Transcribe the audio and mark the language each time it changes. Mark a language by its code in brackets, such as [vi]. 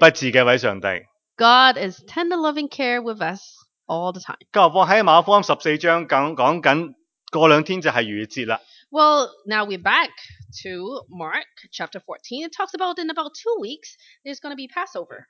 [en] God is tender loving care with us all the time. [yue] 加拉太书14章讲紧过两天就系逾越节了。 [en] Well, now we're back to Mark chapter 14. It talks about in about 2 weeks there's going to be Passover.